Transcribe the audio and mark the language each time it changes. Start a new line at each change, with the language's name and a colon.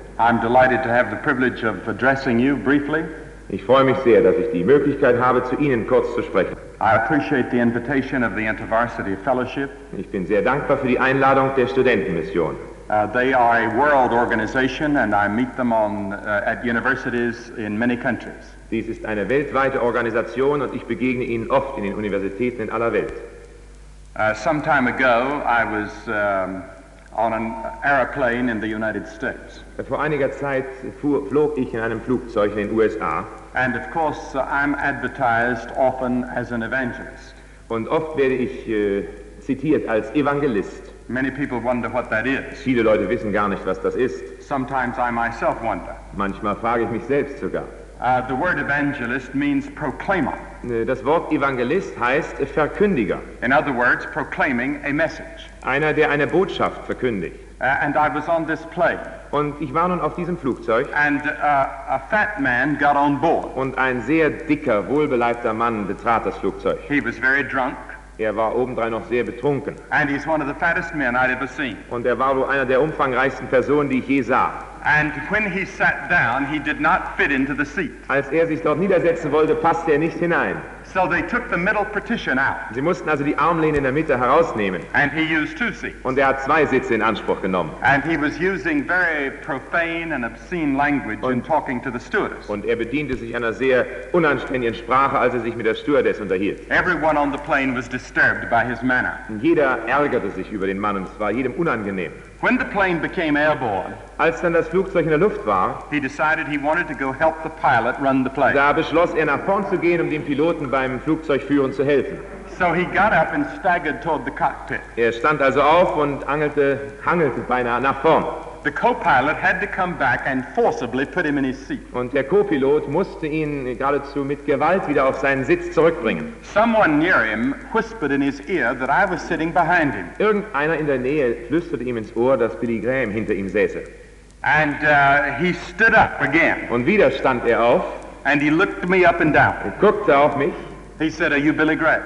English: I'm delighted to have the privilege of addressing you briefly.
German: Ich freue mich sehr, dass ich die Möglichkeit habe, zu Ihnen kurz zu sprechen.
English: I appreciate the invitation of the InterVarsity Fellowship.
German: Ich bin sehr dankbar für die Einladung der Studentenmission.
English: They are a world organization and I meet them on at universities in many countries.
German: Dies ist eine weltweite Organisation und ich begegne ihnen oft in den Universitäten in aller Welt.
English: Some time ago I was on an airplane in the United States.
German: Vor einiger Zeit flog ich in einem Flugzeug in den USA.
English: And of course I'm advertised often as an evangelist.
German: Und oft werde ich zitiert als Evangelist.
English: Many people wonder what that is.
German: Viele Leute wissen gar nicht, was das ist.
English: Sometimes I myself wonder.
German: Manchmal frage ich mich selbst sogar.
English: The word evangelist means proclaimer.
German: Das Wort Evangelist heißt Verkündiger.
English: In other words, proclaiming a message.
German: Einer, der eine Botschaft verkündigt.
English: And I was on this plane.
German: Und ich war nun auf diesem Flugzeug.
English: And a fat man got on board.
German: Und ein sehr dicker, wohlbeleibter Mann betrat das Flugzeug.
English: He was very drunk.
German: Er war obendrein noch sehr betrunken.
English: And he's one of the fattest men I'd ever seen.
German: Und er war wohl einer der umfangreichsten Personen, die ich je sah.
English: And when he sat down, he did not fit into the seat.
German: Als er sich dort niedersetzen wollte, passte er nicht hinein.
English: So they took the middle partition out.
German: Sie mussten also die Armlehne in der Mitte herausnehmen.
English: And he used two seats.
German: Und er hat zwei Sitze in Anspruch genommen.
English: And he was using very profane and obscene language in talking to the stewardess.
German: Und er bediente sich einer sehr unanständigen Sprache, als er sich mit der Stewardess unterhielt.
English: Everyone on the plane was disturbed by his manner.
German: Jeder ärgerte sich über den Mann und es war jedem unangenehm.
English: When the plane became airborne,
German: als dann das Flugzeug in der Luft war,
English: he decided he wanted to go help the pilot run the plane.
German: Da beschloss er, nach vorn zu gehen, um dem Piloten beim Flugzeugführen zu helfen.
English: So he got up and staggered toward the cockpit.
German: Er stand also auf und hangelte beinahe nach vorn.
English: The co-pilot had to come back and forcibly put him in his seat.
German: Und der Co-Pilot musste ihn geradezu mit Gewalt wieder auf seinen Sitz zurückbringen.
English: Someone near him whispered in his ear that I was sitting behind him.
German: Irgendeiner in der Nähe flüsterte ihm ins Ohr, dass Billy Graham hinter ihm säße.
English: And he stood up again.
German: Und wieder stand er auf.
English: And he looked me up and down.
German: Er guckte auf mich.
English: He said, "Are you Billy Graham?"